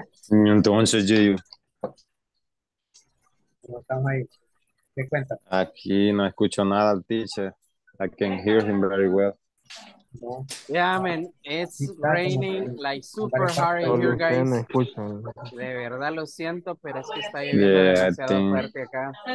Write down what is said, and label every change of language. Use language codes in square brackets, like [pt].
[es] entonces yo aquí no escucho nada al teacher. [en] I can hear him very well. Yeah, man, it's raining like super hard in here, guys. [es] De verdad lo siento, pero es que está lloviendo demasiado fuerte acá.